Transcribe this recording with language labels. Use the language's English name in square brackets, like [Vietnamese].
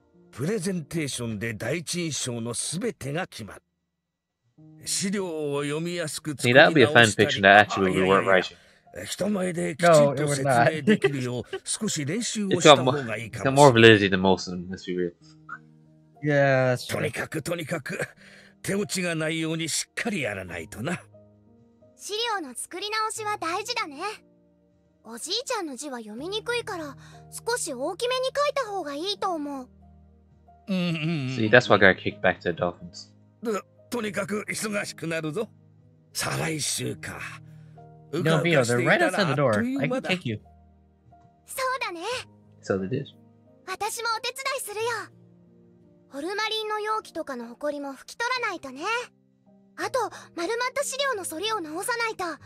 [Japanese] Presentation de Daichi Shou no subete ga kimatta. [English] See, that'd be a fan fiction that actually we weren't writing. No, it was not. it's got more validity than most of them, let's be real. Yeah, [Japanese] とにかく手打ちがないようにしっかりやらないとな。資料の作り直しは大事だね。おじいちゃんの字は読みにくいから少し大きめに書いた方がいいと思う。 [English] See, that's why I got kicked back to the dolphins. [Japanese] とにかく忙しくなるぞ。再来週か。 [English] No, Mio, they're right outside the door. I can take you. [Japanese] そうだね。 [English] So they did. [Japanese] 私もお手伝いするよ。ホルマリンの容器とかの埃も拭き取らないとね。あと、丸まった資料のそりを直さないと。